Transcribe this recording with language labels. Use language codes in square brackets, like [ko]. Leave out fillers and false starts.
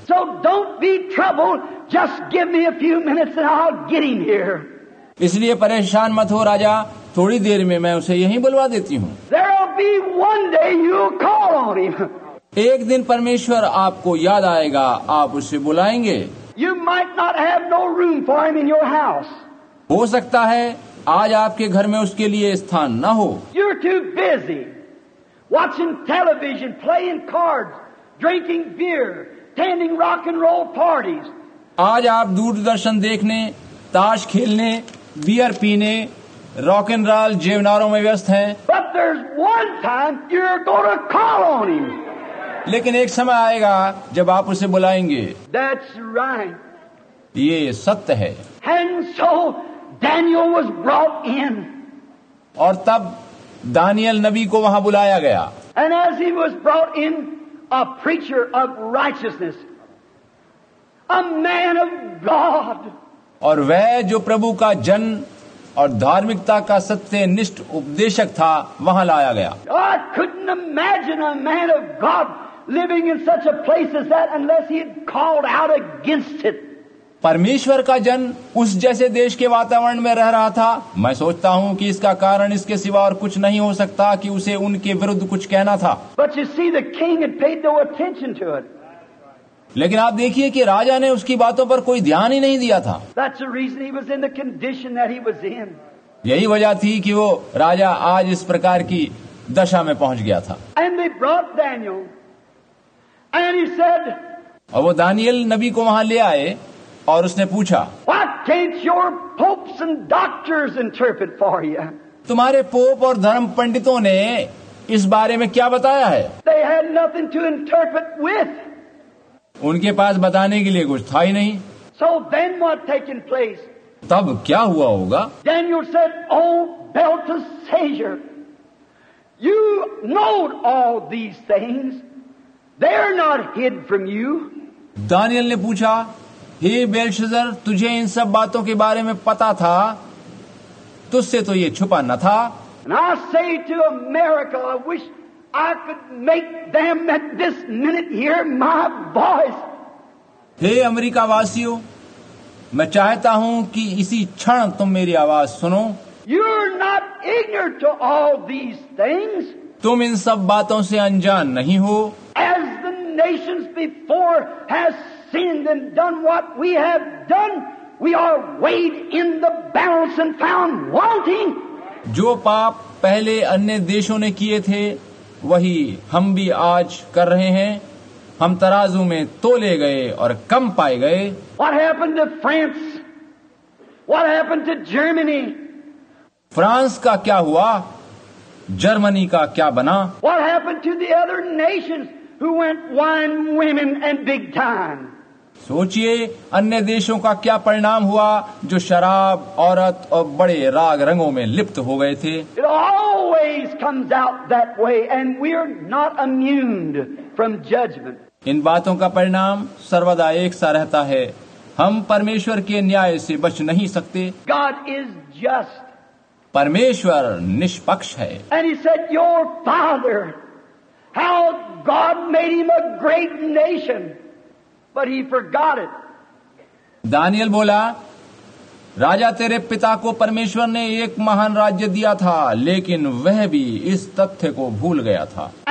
[en] So don't be troubled. Just give me a few minutes, and I'll get him here. [hi] इसलिए परेशान मत हो राजा, थोड़ी देर में मैं उसे यहीं बुलवा देती हूँ। [en] There'll be one day you'll call on him. [hi] एक दिन परमेश्वर आपको याद आएगा, आप उसे बुलाएंगे। [en] You might not have no room for him in your house. [hi] हो सकता है आज आपके घर में उसके लिए स्थान न हो। [en] You're too busy watching television, playing cards, drinking beer, attending rock and roll parties. [hi] आज आप दूरदर्शन देखने, ताश खेलने, बियर पीने, रॉक एंड रॉल जेवनारों में व्यस्त हैं। [en] But there's one time you're gonna call on him. [hi] लेकिन एक समय आएगा जब आप उसे बुलाएंगे। [en] That's right. [hi] ये सत्य है। [en] And so Daniel was brought in. [hi] और तब दानियल नबी को वहां बुलाया गया। [en] And as he was brought in, a preacher of righteousness, a man of God. [hi] और वह जो प्रभु का जन और धार्मिकता का सत्यनिष्ठ उपदेशक था वहां लाया गया। [en] I couldn't imagine a man of God living in such a place as that unless he had called out against it. [hi] परमेश्वर का जन उस जैसे देश के वातावरण में रह रहा था, मैं सोचता हूँ कि इसका कारण इसके सिवा और कुछ नहीं हो सकता कि उसे उनके विरुद्ध कुछ कहना था। [en] But you see, the king had paid no attention to it. [hi] लेकिन आप देखिए कि राजा ने उसकी बातों पर कोई ध्यान ही नहीं दिया था। [en] That's the reason he was in the condition that he was in. [hi] यही वजह थी कि वो राजा आज इस प्रकार की दशा में पहुंच गया था। [en] And they brought Daniel, and he said, [hi] और वो दानियल नबी को वहां ले आए और उसने पूछा, [en] Why can't your popes and doctors interpret for you? [hi] तुम्हारे पोप और धर्म पंडितों ने इस बारे में क्या बताया है? [en] They had nothing to interpret with. [hi] उनके पास बताने के लिए कुछ था ही नहीं। [en] So then what taken place? [hi] तब क्या हुआ होगा? [en] Daniel said, O Belteshazzar, you know all these things. They're not hid from you. [hi] Daniel ने पूछा, हे बेलशजर, तुझे इन सब बातों के बारे में पता था, तुझसे तो ये छुपा न था। [en] And I say to America, I wish I could make them at this minute hear my voice. [hi] Hey America वासियों, मैं चाहता हूँ कि इसी क्षण तुम मेरी आवाज सुनो। [en] You're not ignorant to all these things. [hi] तुम इन सब बातों से अनजान नहीं हो। [en] As the nations before has sinned and done what we have done, we are weighed in the balance and found wanting. [hi] जो पाप पहले अन्य देशों ने किए थे, वही हम भी आज कर रहे हैं। हम तराजू में तोले गए और कम पाए गए। [en] What happened to France? What happened to Germany? [hi] France का क्या हुआ? जर्मनी का क्या बना? [en] What happened to the other nations who went wine, women and big time? [hi] सोचिए अन्य देशों का क्या परिणाम हुआ जो शराब, औरत और बड़े राग रंगों में लिप्त हो गए थे। [en] It always comes out that way and we are not immune from judgment. [hi] इन बातों का परिणाम सर्वदा एक सा रहता है, हम परमेश्वर के न्याय से बच नहीं सकते। [en] God is just. [hi] परमेश्वर निष्पक्ष है। [en] And he said, your father, how God made him a great nation. But he forgot it. [hi] Daniel बोला, राजा तेरे पिता को परमेश्वर ने एक महान राज्य दिया था, लेकिन वह भी इस तथ्य को भूल गया था।